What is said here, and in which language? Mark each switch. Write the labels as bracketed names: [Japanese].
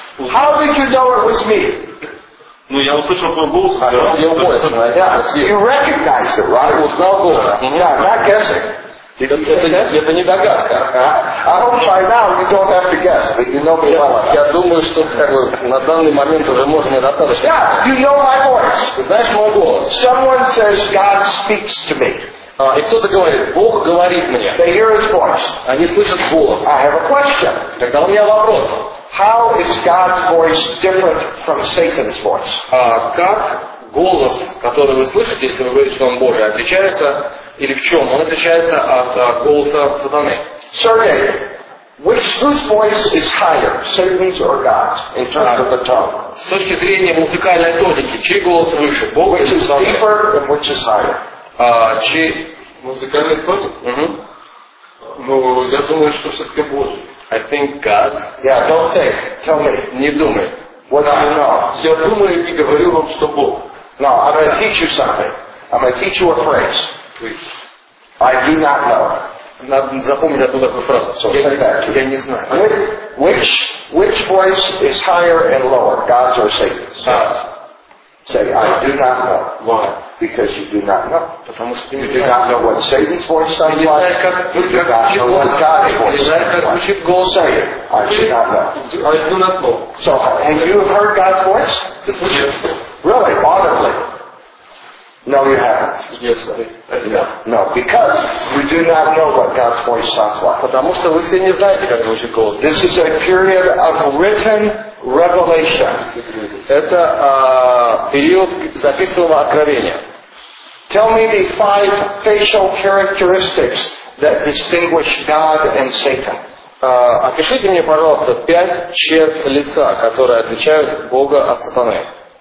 [English] How did you know it was me? [Russian] Ну, я услышал твой голос. [English] I heard your voice. Yeah, you recognized it, right? [Russian] Узнал голос. [English] Yeah, not guessing. [Russian] Это не догадка. [English] I hope by now you don't have to guess, but you know me well. [Russian] Я думаю, что как бы на данный момент уже можно достаточно. [English] Yeah, you know my voice. [Russian] Знаешь мой голос. [English] Someone says God speaks to me. [Russian] И кто-то говорит, Бог говорит мне. [English] They hear His voice. [Russian] Они слышат голос. [English] I have a question. [Russian] Тогда у меня вопрос. [English] How is God's voice different from Satan's voice? [Russian] Как голос, который вы слышите, если вы говорите, что он Божий, отличается? Или в чем? Он отличается от голоса сатаны. [English] Sergey, whose voice is higher, Satan's or God's, in terms of the tone? [Russian] С точки зрения музыкальной тоники, чей голос выше, Бога или сатаны? [English] Which is deeper and which is higher? [Russian] Чей музыкальный тоник? Ну, я думаю, что все-таки Божий. [English] I think God's. Yeah, don't think. Tell me. [Russian] Не думай. [English] What do you know? [Russian] Я думаю и говорю вам, что Бог. [English] No, I'm going to teach you something. I'm going to teach you a phrase. I do not know. [Russian] Запомнить одну такую фразу. [English] So say that. [Russian] Я не знаю. [English] Which voice is higher and lower, God's or Satan's? God's. Say, I do not know. Why? Because you do not know. [Russian] Потому что [English] you do not know what Satan's voice sounds like. You do not know what God's voice sounds like. Say, I do not know. I do not know. So, and you have heard God's voice? Yes. Really, audibly? No, you haven't. Yes, No, because you do not know what God's voice sounds like. [Russian] Потому что вы все не знаете, как звучит голос. [English] This is a period of written revelation. [Russian] Это период записанного откровения. [English] Tell me the five facial characteristics that distinguish God and Satan. [Russian] Опишите мне, пожалуйста, пять черт лица, которые отличают Бога от сатаны.